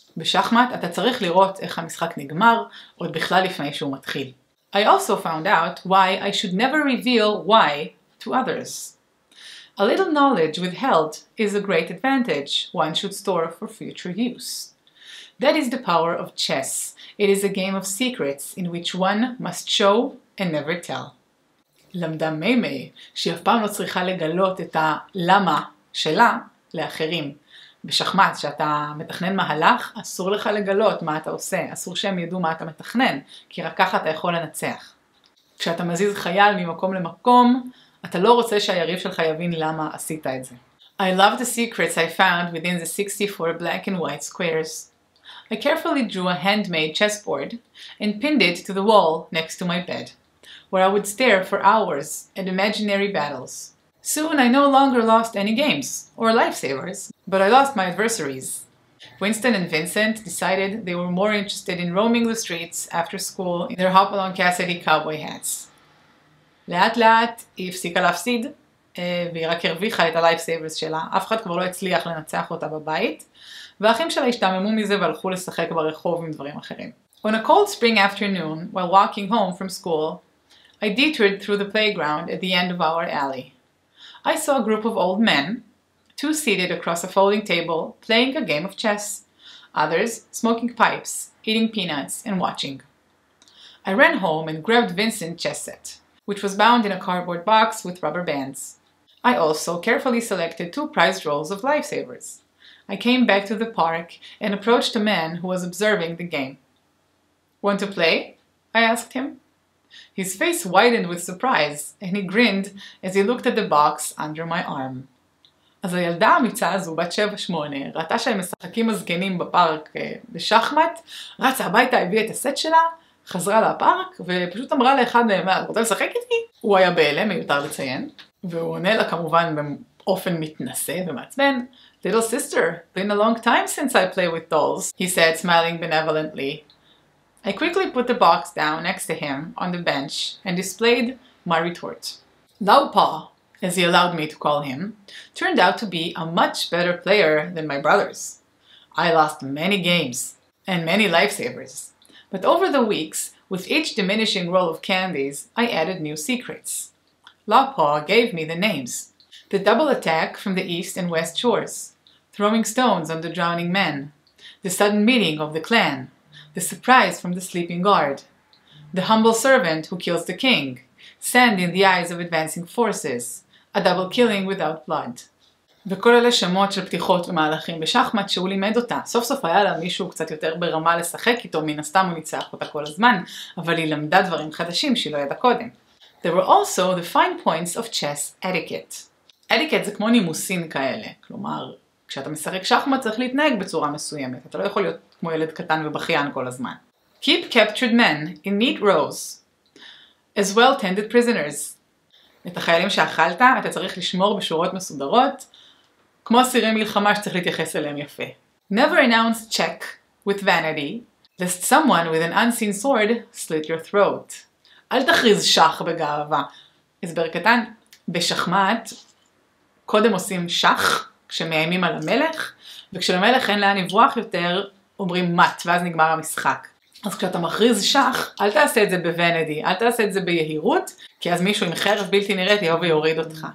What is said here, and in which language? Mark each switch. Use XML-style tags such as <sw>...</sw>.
<he>בשחמט אתה צריך לראות איך המשחק נגמר עוד בכלל לפני שהוא מתחיל.</he> <en>I also found out why I should never reveal why to others. A little knowledge withheld is a great advantage one should store for future use. That is the power of chess. It is a game of secrets in which one must show and never tell.</en> <he>למדה מימי שהיא אף פעם לא צריכה לגלות את הלמה שלה לאחרים. בשחמט, שאתה מתכנן מהלך, אסור לך לגלות מה אתה עושה, אסור שהם ידעו מה אתה מתכנן, כי רק ככה אתה יכול לנצח. כשאתה מזיז חייל ממקום למקום, אתה לא רוצה שהיריב שלך יבין למה עשית את זה.</he> <en>I love the secrets I found within the 64 black and white squares. I carefully drew a handmade chessboard and pinned it to the wall next to my bed, where I would stare for hours at imaginary battles. Soon I no longer lost any games or lifesavers, but I lost my adversaries. Winston and Vincent decided they were more interested in roaming the streets after school in their hop-along Cassidy cowboy hats.</en> <he>לאט לאט היא הפסיקה להפסיד, והיא רק הרוויחה את הלייפסייברס שלה. אף אחד כבר לא הצליח לנצח אותה בבית, והאחים שלה השתעממו מזה והלכו לשחק ברחוב עם דברים אחרים.</he> <en>On a cold spring afternoon, while walking home from school, I detoured through the playground at the end of our alley. I saw a group of old men, two seated across a folding table, playing a game of chess, others smoking pipes, eating peanuts, and watching. I ran home and grabbed Vincent's chess set, which was bound in a cardboard box with rubber bands. I also carefully selected two prized rolls of lifesavers. I came back to the park and approached a man who was observing the game. "Want to play?" I asked him. His face widened with surprise, and he grinned as he looked at the box under my arm.</en> <he>אז הילדה האמיצה הזו, בת 7-8, ראתה שהם משחקים מזגנים בפארק בשחמט, רצה הביתה, הביאה את הסט שלה, חזרה לפארק, ופשוט אמרה לאחד מהם, "את רוצה לשחק איתי?" הוא היה בהלם, מיותר לציין, והוא עונה לה כמובן באופן מתנשא ומעצבן,</he> <en>"Little sister, been a long time since I play with dolls," he said, smiling benevolently. I quickly put the box down next to him on the bench and displayed my retort. Laupa, as he allowed me to call him, turned out to be a much better player than my brothers. I lost many games and many lifesavers. But over the weeks, with each diminishing roll of candies, I added new secrets. Laupa gave me the names. The double attack from the east and west shores. throwing stones on the drowning man, the sudden meeting of the clan, the surprise from the sleeping guard, the humble servant who kills the king, sand in the eyes of advancing forces, a double killing without blood.</en> <he>וכל אלה שמות של פתיחות ומהלכים בשחמט שהוא לימד אותה. סוף סוף היה לה מישהו קצת יותר ברמה לשחק איתו, מן הסתם הוא ניצח אותה כל הזמן, אבל היא למדה דברים חדשים שהיא לא ידע קודם.</he> <en>There were also the fine points of chess etiquette.</en> <he>Etiquette זה כמו נימוסין כאלה, כלומר, כשאתה משחק שחמט צריך להתנהג בצורה מסוימת, אתה לא יכול להיות כמו ילד קטן ובכיין כל הזמן.</he> <en>Keep captured men in neat rows, as well tended prisoners.</en> <he>את החיילים שאכלת, אתה צריך לשמור בשורות מסודרות, כמו סירי מלחמה שצריך להתייחס אליהם יפה.</he> <en>Never announce check with vanity, lest someone with an unseen sword slit your throat.</en> <he>אל תכריז שח בגאווה. הסבר קטן, בשחמט, קודם עושים שח, כשמאיימים על המלך, וכשלמלך אין לאן לברוח יותר, אומרים מת, ואז נגמר המשחק. אז כשאתה מכריז שח, אל תעשה את זה בוונדי, אל תעשה את זה ביהירות, כי אז מישהו עם חרב בלתי נראית יהיה ויוריד אותך.</he>